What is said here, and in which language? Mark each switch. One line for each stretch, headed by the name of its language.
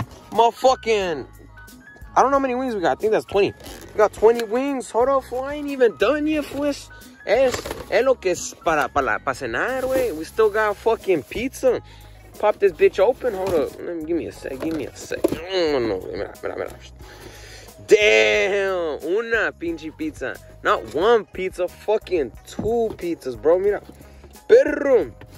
English: Motherfucking, I don't know how many wings we got, I think that's 20. We got 20 wings, hold up, fool, I ain't even done yet, fool.
Spanish: Es lo que es para cenar, wey.
English: We still got fucking pizza. Pop this bitch open. Hold up. Give me a sec. No.
Spanish: Mira.
English: Damn.
Spanish: Una pinche pizza.
English: Not one pizza. Fucking 2 pizzas, bro.
Spanish: Mira. Perro.